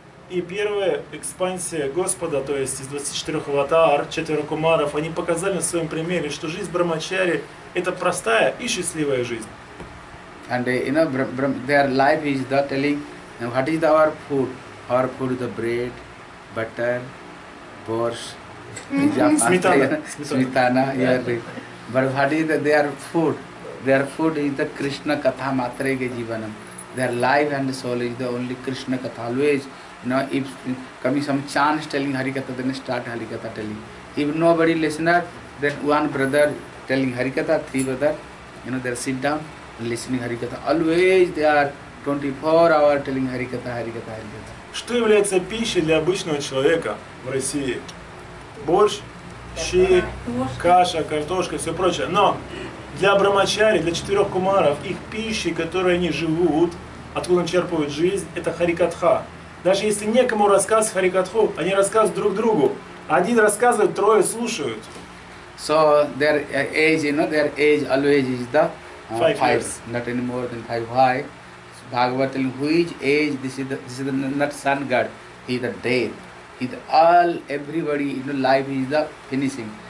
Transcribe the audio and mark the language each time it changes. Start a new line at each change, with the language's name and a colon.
Russian: И первая экспансия Господа, то есть из 24 аватар, 4 кумаров, они показали на своем примере, что жизнь брахмачари – это простая и счастливая жизнь.
English: And you know, their life is the telling, what is our food? Our food is the bread, butter, borscht, Smitana, but what is their food? Their food is the Krishna Katha Matrege Jivanam. Their life and soul is the only Krishna Katha always. You know, if coming some chance telling Harikatha, then start Harikatha telling. If nobody listener, then one brother telling Harikatha, three brother, you know, they sit down and listening Harikatha. Always they are 24 hours telling Harikatha, Harikatha, Harikatha.
Russian: Что является пищей для обычного человека в России? Борщ, щи, каша, картошка, все прочее. Но для брахмачари, для четырех кумаров, их пищи, которой они живут, откуда черпают жизнь, это харикатха. Даже если некому рассказывать харикатху, они рассказывают друг другу. Один рассказывает, трое слушают.
English: So their age, you know, their age always is the 5 years. Not any more than 5. Why? Bhagavata, which age? This is the, not sun god. He is the death. He is all, everybody, you know, life is the finishing.